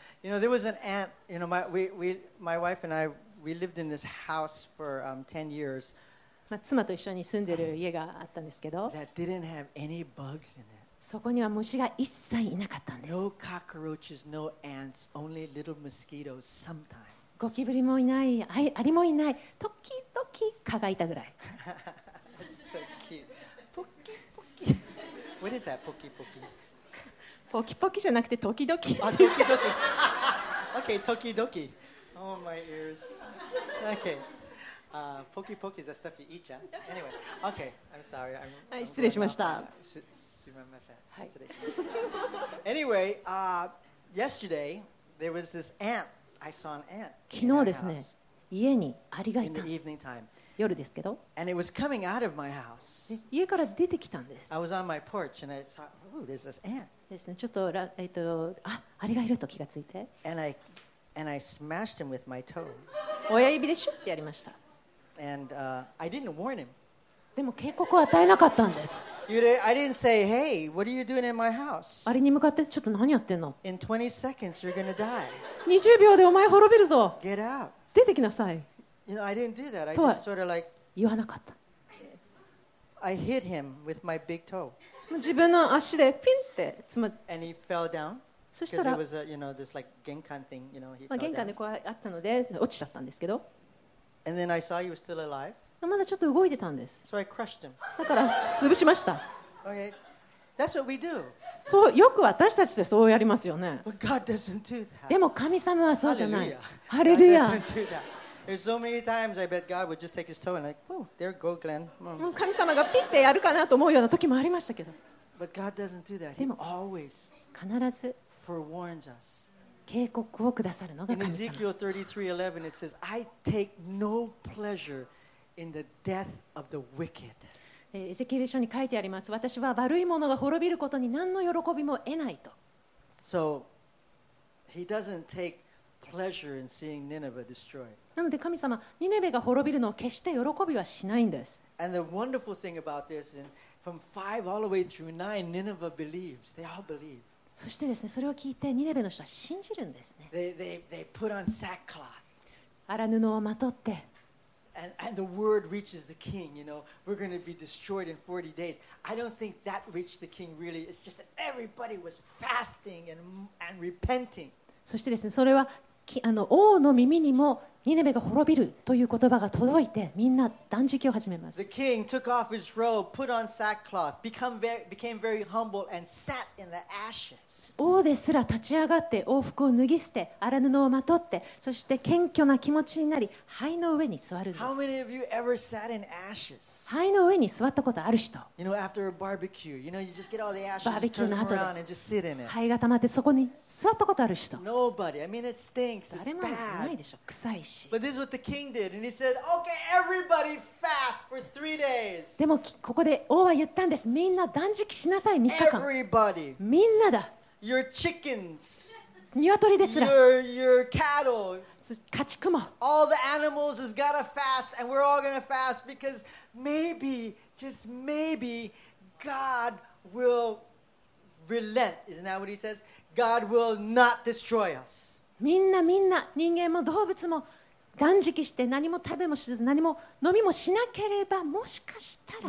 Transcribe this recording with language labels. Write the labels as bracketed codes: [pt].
[en] You know, there was an aunt, you know, my wife and I, we lived in this house for 10 years. [ja] まあ妻と一緒に住んでる家があったんですけど。 [en] That didn't have any bugs in it. [ja] そこには虫が一切いなかったんです。 [en] No cockroaches, no ants, only little mosquitoes sometimes. [ja] ゴキブリもいない、アリもいない、時々蚊がいたぐらい。 [en] That's so cute. ポキポキ。What is that? ポキポキ。 [ja] ポキポキじゃなくて時々。あ、時々。 [en] Okay, 時々。Oh my ears. Okay. ポキポキ is the stuff you eat, yeah? Anyway, okay. I'm sorry. [ja] はい、失礼しました。すみません。失礼しました。 [en] Anyway, yesterday there was this ant. I saw an ant. [ja] 昨日ですね、家にアリがいた。 [en] In the evening time. [ja] 夜ですけど。 [en] And it was coming out of my house. [ja] 家から出てきたんです。 [en] I was on my porch and I thought, oh, there's this ant. [ja] ですね、ちょっと、あ、アリがいると気がついて。 [en] And I smashed him with my toe. [ja] 親指でシュッてやりました。 [en] And, I didn't warn him. [ja] でも警告を与えなかったんです。 [en] I didn't say, hey, what are you doing in my house? [ja] アリに向かって、ちょっと何やってんの? [en] In 20 seconds, you're gonna die. [ja] 20秒でお前滅びるぞ。 [en] Get out. [ja] 出てきなさい。 [en] You know, I didn't do that. I just sort of like... [ja] 言わなかった。 [en] I hit him with my big toe. [ja] 自分の足でピンってつまって、 [en] and he fell down. [ja] そしたら、 [en] because it was a, you know, this like 玄関 thing, you know, he fell down. [ja] 玄関でこうあったので落ちちゃったんですけど。 [en] And then I saw he was still alive. [ja] まだちょっと動いてたんです。 [en] So I crushed him. [ja] だから潰しました。 [en] Okay, that's what we do. [ja] そうよく私たちでそうやりますよね。 [en] But God doesn't do that. [ja] でも神様はそうじゃない。 [en] ハレルヤ。God doesn't do that. There's so many times I bet God would just take his toe and like, oh, there go, Glenn. [ja] もう神様がピッてやるかなと思うような時もありましたけど。 [en] But God doesn't do that. He always [ja] 必ず [en] forewarns us. [ja] 警告をくださるのが神様。 [en] In Ezekiel 33:11 it says, I take no pleasure in the death of the wicked. [ja] エゼキエル書に書いてあります。私は悪い者が滅びることに何の喜びも得ないと。 [en] So He doesn't take pleasure in seeing Nineveh destroyed. [ja] なので神様、ニネベが滅びるのを決して喜びはしないんです。 [en] And the wonderful thing about this is from 5 all the way through 9, Nineveh believes. They all believe. [ja] そしてですね、それを聞いてニネベの人は信じるんですね。 [en] They put on sackcloth. [ja] 荒布をまとって。 [en] And the word reaches the king, you know, we're going to be destroyed in 40 days. I don't think that reached the king really. It's just that everybody was fasting and repenting. [ja] そしてですね、それは王の耳にもニネベが滅びるという言葉が届いて、みんな断食を始めます。 [en] The king took off his robe, put on sackcloth, became very humble and sat in the ashes. [ja] 王ですら立ち上がって王服を脱ぎ捨て、荒布をまとって、そして謙虚な気持ちになり、灰の上に座るんです。 [en] How many of you ever sat in ashes? [ja] 灰の上に座ったことある人。 [en] You know, after a barbecue, you know, you just get all the ashes, turn around and just sit in it. [ja] 灰が溜まってそこに座ったことある人。 [en] Nobody. I mean, it stinks. It's bad. [ja] 誰もいないでしょ。臭い。 [en] But this is what the king did, and he said, "Okay, everybody fast for 3 days." [ja] でもここで王は言ったんです。みんな断食しなさい、3日間。 [en] Everybody. [ja] みんなだ。 [en] Your chickens. [ja] 鶏ですら。 [en] Your cattle. [ja] 家畜も。 [en] All the animals has got to fast, and we're all going to fast because maybe, just maybe, God will relent. Isn't that what he says? God will not destroy us. [ja] みんなみんな人間も動物も断食して何も食べもしず何も飲みもしなければもしかしたら